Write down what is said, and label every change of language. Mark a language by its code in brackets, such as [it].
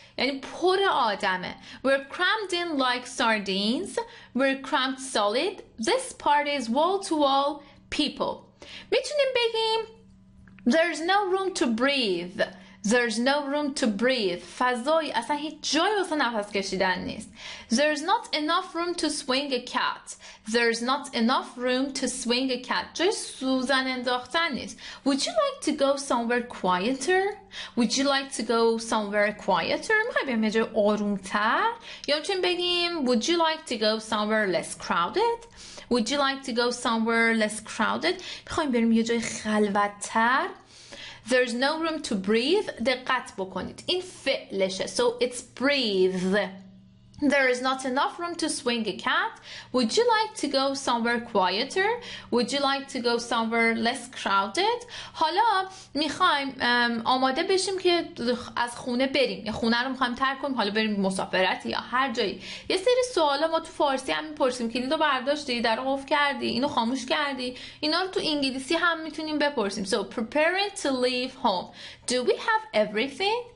[fa] یعنی پر آدمه. [en] We're crammed in like sardines. We're crammed solid. This party is wall to wall people. [fa] میتونیم بگیم [en] There's no room to breathe. There's no room to breathe. [fa] فضای اصلا هیچ جایی واسه نفس کشیدن نیست. [en] There's not enough room to swing a cat. There's not enough room to swing a cat. [fa] جای سوزن انداختن نیست. [en] Would you like to go somewhere quieter? Would you like to go somewhere quieter? [fa] میخوای بیام یه جای آرومتر؟ یا میتونیم بگیم [en] Would you like to go somewhere less crowded? Would you like to go somewhere less crowded? [fa] میخوایم بریم یه جای خلوتتر. [en] There's no room to breathe. [fa] دقت بکنید. این فعلشه. [en] So it's breathe. There is not enough room to swing a cat. Would you like to go somewhere quieter? Would you like to go somewhere less crowded? [fa] حالا میخوایم آماده بشیم که از خونه بریم. یه خونه رو میخوایم ترک کنیم. حالا بریم مسافرت یا هر جایی. یه سری سوالا ما تو فارسی هم میپرسیم. کلیدو برداشتی؟ درو قفل کردی؟ اینو خاموش کردی؟ اینا رو تو انگلیسی هم میتونیم بپرسیم. [en] So preparing to leave home. Do we have everything?